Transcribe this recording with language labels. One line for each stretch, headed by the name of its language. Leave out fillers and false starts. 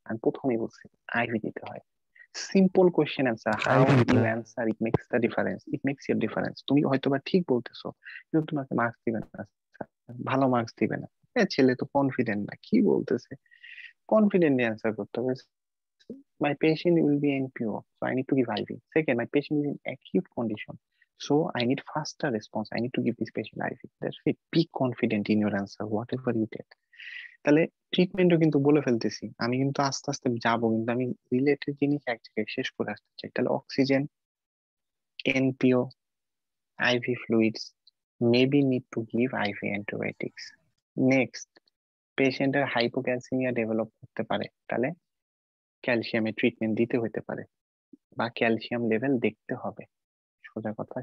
Bangla: আমি প্রথমেই বলছি আইভি দিতে হয়,
English: Simple question answer, how it answer, it makes the difference, it makes your difference.
Bangla: তুমি হয়তো বা ঠিক বলতেছো কিন্তু তোমাকে মার্কস দিবে না, ভালো মার্কস দিবে না, হ্যাঁ ছেলে তো কনফিডেন্ট না, কি বলতেছে, কনফিডেন্টলি অ্যান্সার করতে হবে,
English: My patient will be in poor so I need to give IV. Second, my patient is in acute condition, so I need faster response, I need to give this patient IV. That's it, be confident in your answer whatever you get.
Bangla: তাহলে ট্রিটমেন্টও কিন্তু বলে ফেলতেছি আমি, কিন্তু আস্তে আস্তে যাবো, কিন্তু আমি রিলেটেড জিনিস এক জায়গায় শেষ করে আসতে চাই।
English: তাহলে oxygen, NPO, IV fluids, maybe need to give IV antibiotics.
Bangla: Next, পেশেন্টের হাইপোক্যালসেমিয়া ডেভেলপ করতে পারে, তাহলে ক্যালসিয়ামের ট্রিটমেন্ট দিতে হতে পারে বা ক্যালসিয়াম লেভেল দেখতে হবে, সোজা কথা।